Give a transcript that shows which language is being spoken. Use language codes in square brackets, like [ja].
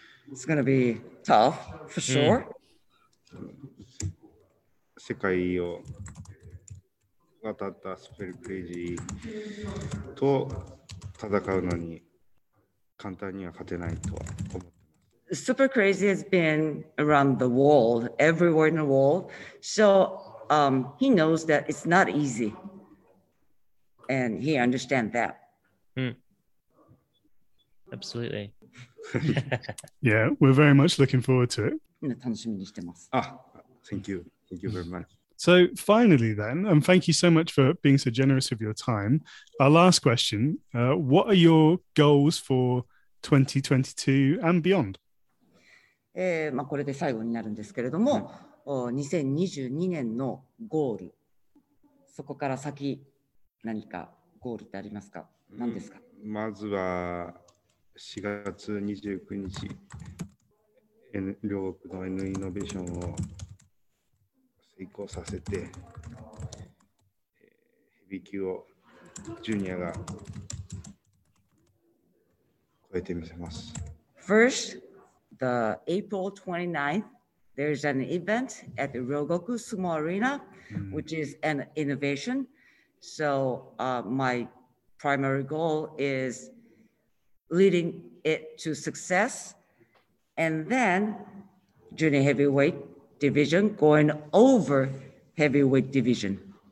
[en] It's gonna be tough for sure. [ja] 世界を渡ったスペルクレイジーと戦うのに簡単には勝てないとは思ってます。 [en] Super Crazy has been around the world, everywhere in the world. So, he knows that it's not easy. And he understands that. Absolutely. Yeah, we're very much looking forward to it. [ja] 楽しみにしてます。 [en] Thank you. Thank you very much. So finally then, and thank you so much for being so generous with your time. Our last question, what are your goals for 2022 and beyond? [ja] これで最後になるんですけれども、2022年のゴール、そこから先、何かゴールってありますか？何ですか？まずは4月29日、両国の N イノベーションを成功させて、ヘビー級をジュニアが超えてみせます。 [en] First, the April 29th, there's an event at the Ryogoku Sumo Arena, which is an innovation. So, my primary goal is leading it to success and then junior heavyweight division going over heavyweight division.